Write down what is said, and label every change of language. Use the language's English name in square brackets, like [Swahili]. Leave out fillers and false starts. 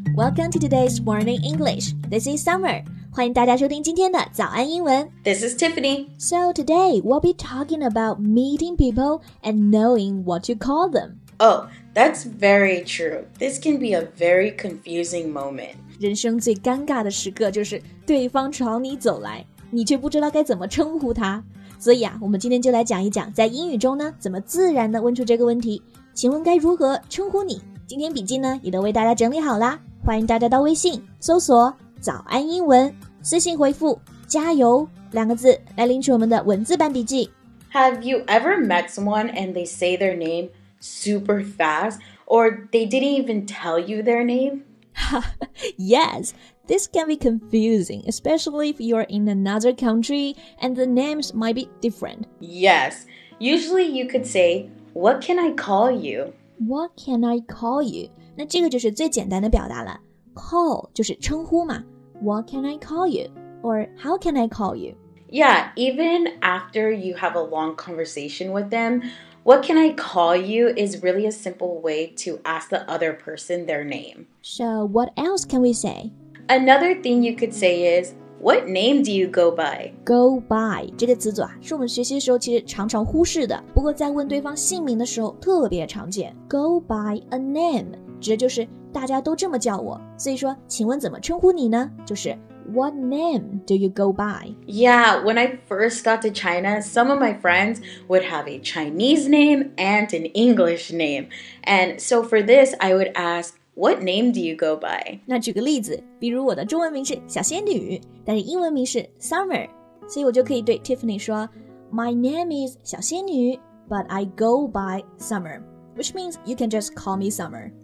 [English] Welcome to today's Morning English. This is Summer. [Chinese] 欢迎大家收听今天的早安英文。 [English] This is Tiffany. So today, we'll be talking about meeting people and knowing what you call them. Oh, that's very true. This can be a very confusing moment. [Chinese] 人生最尴尬的时刻就是对方朝你走来，你却不知道该怎么称呼他。所以啊，我们今天就来讲一讲在英语中呢，怎么自然地问出这个问题。请问该如何称呼你？今天笔记呢也都为大家整理好啦，欢迎大家到微信搜索早安英文，私信回复加油两个字来领取我们的文字版笔记。 [English] Have you ever met someone and they say their name super fast or they didn't even tell you their name? Yes, this can be confusing, especially if you're in another country and the names might be different. Yes, usually you could say, what can I call you? What can I call you? [Chinese] 那这个就是最简单的表达了。 [English] Call [Chinese] 就是称呼嘛。 [English] What can I call you? Or how can I call you? Yeah, even after you have a long conversation with them, what can I call you is really a simple way to ask the other person their name. So what else can we say? Another thing you could say is, what name do you go by? [Chinese] Go by 这个词组啊，是我们学习的时候其实常常忽视的，不过在问对方姓名的时候特别常见。 [English] Go by a name [Chinese] 指的就是大家都这么叫我，所以说请问怎么称呼你呢？ [English] 就是 What name do you go by? Yeah, when I first got to China, some of my friends would have a Chinese name and an English name. And so for this, I would ask,What name do you go by? [Chinese] 那举个例子，比如我的中文名是小仙女，但是英文名是 Summer， 所以我就可以对 Tiffany 说 [English] My name is 小仙女 but I go by Summer, which means you can just call me Summer.